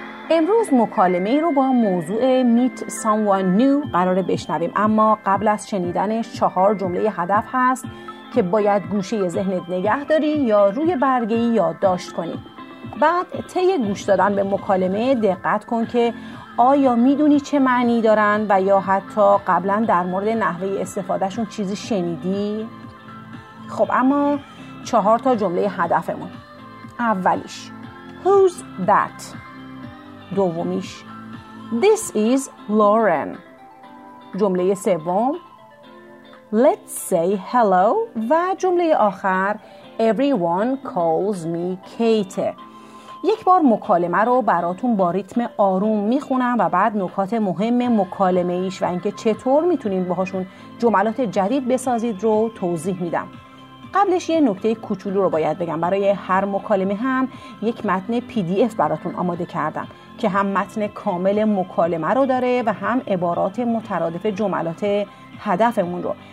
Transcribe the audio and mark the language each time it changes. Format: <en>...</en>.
<fa>امروز مکالمه رو با موضوع Meet Someone New قراره بشنویم، اما قبل از شنیدنش چهار جمله هدف هست که باید گوشه ذهنت نگه داری یا روی برگه یادداشت کنی. بعد طی گوش دادن به مکالمه دقت کن که آیا میدونی چه معنی دارن و یا حتی قبلا در مورد نحوه استفادهشون چیزی شنیدی؟ خب اما چهار تا جمله هدفمون. اولیش</fa> <en>Who's that؟</en> <fa>دومیش</fa> <en>This is Lauren.</en> <fa>جمله سوم</fa> <en>Let's say hello.</en> <fa>و جمله آخر</fa> <en>Everyone calls me Kate.</en> <fa>یک بار مکالمه رو براتون با ریتم آروم میخونم و بعد نکات مهم مکالمه ایش و اینکه چطور میتونید باهاشون جملات جدید بسازید رو توضیح میدم. قبلش یه نکته کوچولو رو باید بگم. برای هر مکالمه هم یک متن PDF براتون آماده کردم که هم متن کامل مکالمه رو داره و هم عبارات مترادف جملات هدفمون رو.</fa>